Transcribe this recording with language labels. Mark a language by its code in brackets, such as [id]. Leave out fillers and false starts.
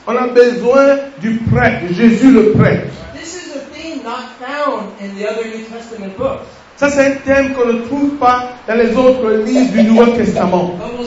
[fr] On a besoin du prêtre, Jésus le prêtre. [en] This is a theme not found in the other New Testament books. [fr] Ça, c'est un thème qu'on ne trouve pas dans les autres livres du Nouveau Testament.